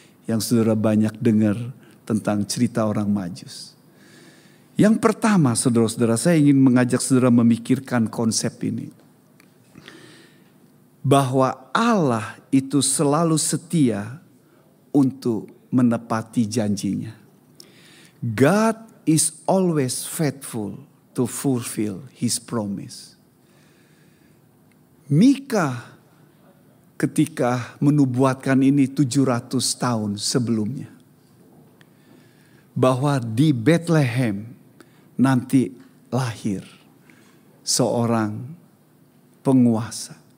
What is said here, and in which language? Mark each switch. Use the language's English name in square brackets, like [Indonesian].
[Indonesian] Yang saudara banyak dengar tentang cerita orang Majus. Yang pertama, saudara-saudara, saya ingin mengajak saudara memikirkan konsep ini. Bahwa Allah itu selalu setia untuk menepati janjinya. [English] God is always faithful to fulfill his promise. [Indonesian] Mika ketika menubuatkan ini 700 tahun sebelumnya. Bahwa di Bethlehem nanti lahir seorang penguasa.